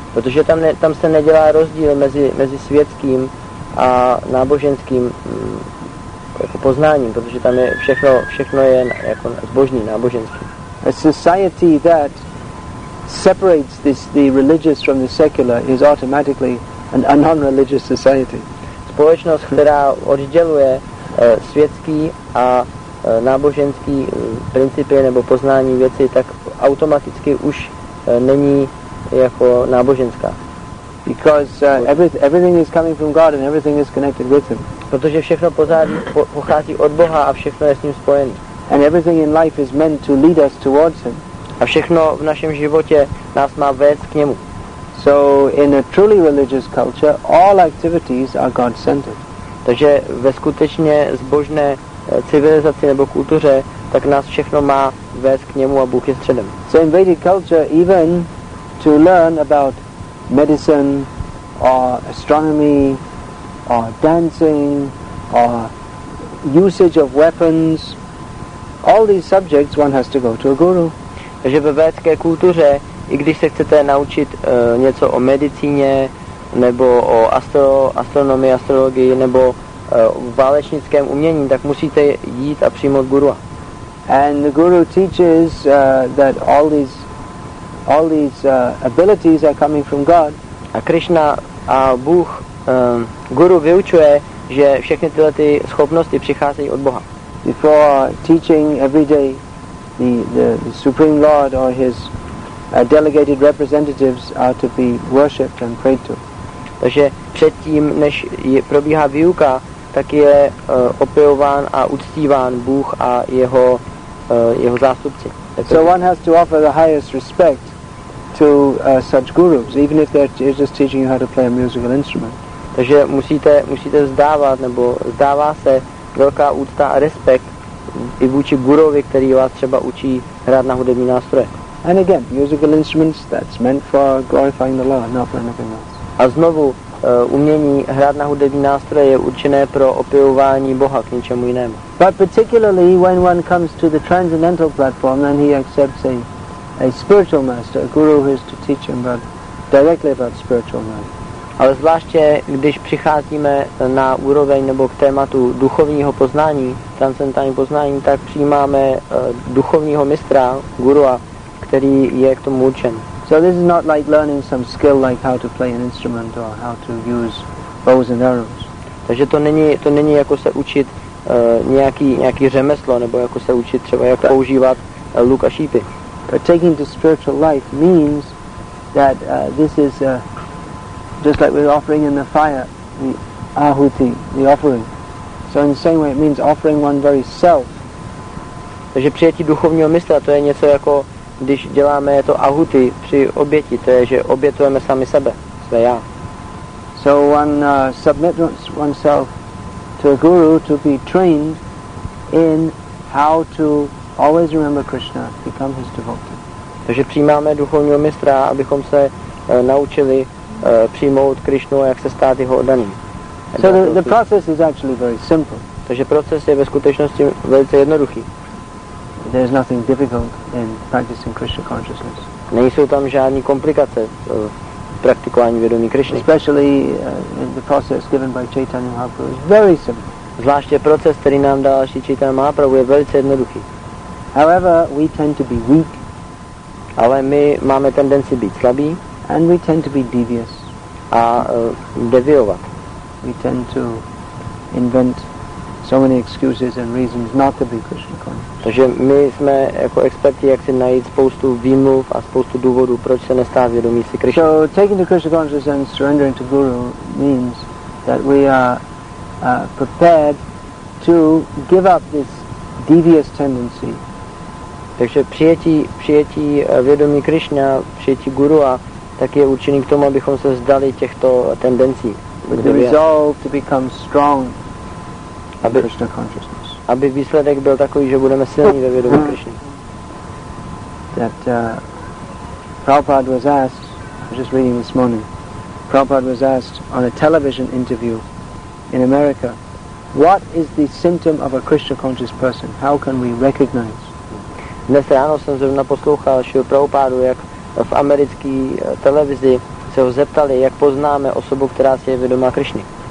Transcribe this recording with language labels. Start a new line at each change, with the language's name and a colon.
Czech: Protože tam se nedělá rozdíl mezi světským a náboženským jako poznáním, protože tam je všechno je jako zbožní, náboženský.
English: A society that separates the religious from the secular is automatically a non-religious society.
Czech: Společnost, která odděluje světský a náboženský principy nebo poznání věci, tak automaticky už není jako náboženská.
English: Because everything is coming from God and everything is connected with Him.
Czech: Protože všechno pochází od Boha a všechno je s ním spojené.
English: And everything in life is meant to lead us towards Him.
Czech: A všechno v našem životě nás má vést k němu.
English: So in a truly religious culture, all activities are God-centered.
Czech: Takže ve skutečně zbožné civilizaci nebo kultuře, tak nás všechno má vést k němu a Bůh je středem.
English: So in Vedic culture, even to learn about medicine or astronomy or dancing or usage of weapons, all these subjects one has to go to a guru.
Czech: Takže ve védské kultuře, i když se chcete naučit něco o medicíně nebo o astronomii, astrologii nebo v válečnickém umění, tak musíte jít a přijmout gurua.
English: And the guru teaches that all these abilities are coming from God.
Czech: A Krishna a Bůh guru vyučuje, že všechny tyhle ty schopnosti přicházejí od Boha.
English: Before teaching every day the Supreme Lord or his delegated representatives are to be worshipped and prayed to.
Czech: Takže předtím, než probíhá výuka, tak je opěvován a uctíván Bůh a jeho zástupci.
English: So one has to offer the highest respect to such gurus, even if they're just teaching you how to play a musical instrument.
Czech: Takže musíte vzdávat, nebo vzdává se velká úcta a respekt i vůči gurovi, který vás třeba učí hrát na hudební nástroje.
English: And again, musical instruments, that's meant for glorifying the Lord, not for anything else.
Czech: A znovu, umění hrát na hudební nástroje je určené pro opěvování Boha, k ničemu jinému.
English: But particularly when one comes to the transcendental platform, then he accepts a spiritual master, a guru who is to teach him about, directly about spiritual life.
Czech: Ale zvláště, když přicházíme na úroveň nebo k tématu duchovního poznání, transcendentální poznání, tak přijímáme duchovního mistra, gurua, který je k tomu určen.
English: So this is not like learning some skill like how to play an instrument or how to use bows and arrows.
Czech: Takže to není jako se učit nějaký řemeslo nebo jako se učit třeba jak používat luk a šípy.
English: But taking to spiritual life means that this is just like we're offering in the fire the ahuti, the offering. So in the same way it means offering one very self.
Czech: Takže přijetí duchovního mistra, to je něco jako když děláme to ahuti při oběti, to je, že obětujeme sami sebe, své já.
English: So one submits oneself to a guru to be trained in how to always remember Krishna, become his devotee.
Czech: Takže přijímáme duchovního mistra, abychom se naučili přijmout Krishnu a jak se stát jeho oddaným.
English: So the process is actually very simple.
Czech: Takže proces je ve skutečnosti velice jednoduchý.
English: There is nothing difficult in practicing Krishna consciousness.
Czech: Nejsou tam žádné komplikace v praktikování vědomí Krishny.
English: Especially in the process given by Chaitanya Mahaprabhu is very simple.
Czech: Zvláště proces, který nám dal Sri Chaitanya Mahaprabhu, je velice jednoduchý.
English: However, we tend to be weak.
Czech: Ale my máme tendenci být slabí.
English: And we tend to be devious.
Czech: A deviovat.
English: We tend to invent so many excuses and reasons not to be Krishna conscious.
Czech: Takže my jsme jako experti, jak si najít spoustu výmluv a spoustu důvodů, proč se nestát vědomí si Krishna.
English: So taking to Krishna conscious and surrendering to Guru means that we are prepared to give up this devious tendency.
Czech: Takže přijetí vědomí Krishna, přijetí Guru, a tak je určený k tomu, abychom se vzdali těchto tendencí.
English: With the resolve to become strong. Krishna consciousness.
Czech: Aby výsledek byl takový, že budeme silní ve vědomí Krishny.
English: That Prabhupada was asked, I was just reading this morning, Prabhupada was asked on a television interview in America, what is the symptom of a Krishna conscious person? How can we recognize?
Czech: Dnes ráno jsem zrovna poslouchal Šrila Prabhupádu, jak v americké televizi se ho zeptali, jak poznáme osobu, která si je vědomá Krishny.